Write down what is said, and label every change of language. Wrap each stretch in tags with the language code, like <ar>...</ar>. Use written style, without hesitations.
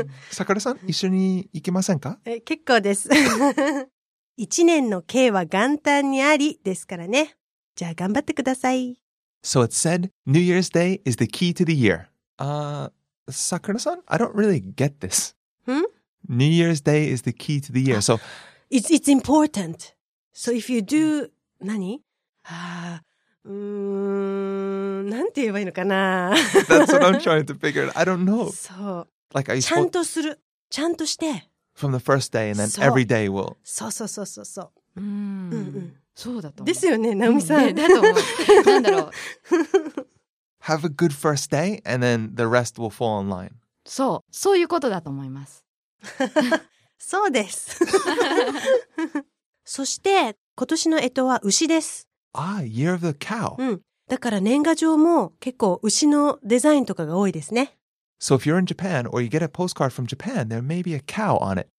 <ja>さくらさん一緒に行きませんか？え、結構です。一年の計は元旦にありですからね。じゃあ頑張ってください。</ja> <en>So it said, New Year's Day is the key to the year. Sakura-san, I don't really get this. Hmm? New Year's Day is the key to the year. So, it's important. So if you do, 何?</en> <ja>なんて言えばいいのかな?</ja> <en>That's what I'm trying to figure out. I don't know. So, like,</en> <ja>ちゃんとする。ちゃんとして。</ja> <en>From the first day and then every day will.</en> <ja>そうそうそうそうそう。そうだと思う。ですよね、ナオミさん。だと思う。なんだろう。</ja> <en>Have a good first day, and then the rest will fall in line.</en> <ja>そう、そういうことだと思います。そうです。そして、今年の干支は牛です。</ja> <en>Ah, year of the cow. うん。</en> <ja>だから年賀状も結構牛のデザインとかが多いですね。</ja> <en>So if you're in Japan, or you get a postcard from Japan, there may be a cow on it.</en>